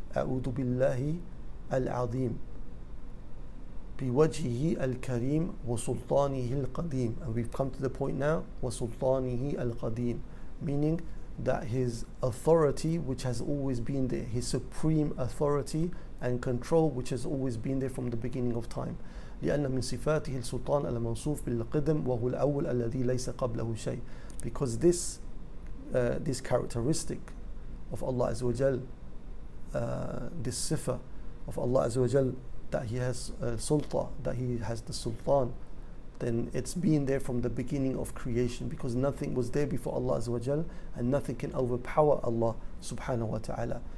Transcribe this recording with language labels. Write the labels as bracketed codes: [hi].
[ar] أَعُوذُ بِاللَّهِ الْعَظِيمِ بِوَجْهِهِ الْكَرِيمِ وَسُلْطَانِهِ الْقَدِيمِ. [en] And we've come to the point now, [ar] وَسُلْطَانِهِ الْقَدِيمِ, [en] meaning that his authority which has always been there, his supreme authority and control which has always been there from the beginning of time. [ar] لأن من صفاته السلطان الموصوف بالقدم وهو الأول الذي ليس قبله شيء. [en] Because this characteristic of Allah Azza wa Jal, this sifa of Allah Azza wa Jal, that he has sulta, that he has the sultan, then it's been there from the beginning of creation, because nothing was there before Allah Azza wa Jal, and nothing can overpower Allah Subhanahu wa Ta'ala.